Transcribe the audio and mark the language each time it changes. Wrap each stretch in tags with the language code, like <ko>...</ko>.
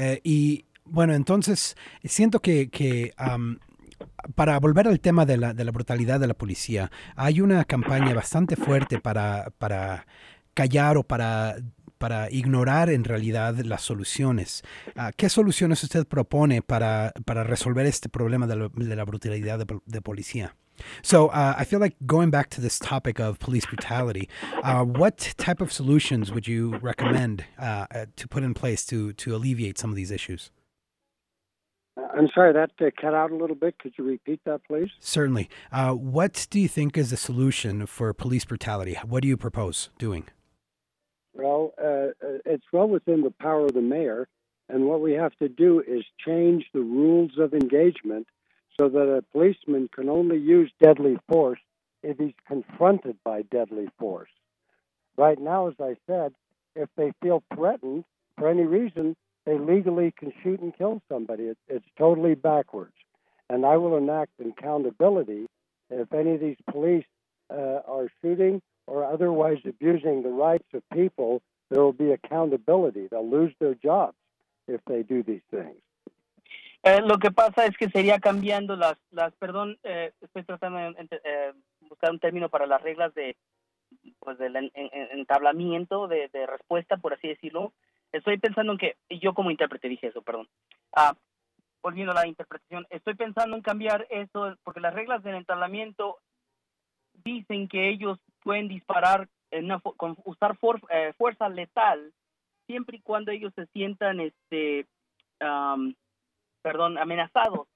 <es>Y bueno, entonces siento que para volver al tema de la brutalidad de la policía, hay una campaña bastante fuerte para callar o para ignorar en realidad las soluciones. ¿Qué soluciones usted propone para resolver este problema de la brutalidad de policía?</es> <en>So I feel like going back to this topic of police brutality, what type of solutions would you recommend to put in place to alleviate some of these issues? I'm sorry, that cut out a little bit. Could you repeat that, please? Certainly. What do you think is the solution for police brutality? What do you propose doing? Well, it's well within the power of the mayor. And what we have to do is change the rules of engagement so that a policeman can only use deadly force if he's confronted by deadly force. Right now, as I said, if they feel threatened for any reason, they legally can shoot and kill somebody. It's totally backwards. And I will enact accountability if any of these police are shooting or otherwise abusing the rights of people. There will be accountability. They'll lose their jobs if they do these things.</en> <es>Lo que pasa es que sería cambiando las perdón, estoy tratando de buscar un término para las reglas de pues del entablamiento de respuesta, por así decirlo. Estoy pensando en que, yo como intérprete dije eso, perdón. Volviendo a la interpretación, estoy pensando en cambiar eso, porque las reglas del entablamiento dicen que ellos pueden disparar, usar fuerza letal, siempre y cuando ellos se sientan, amenazados.</es>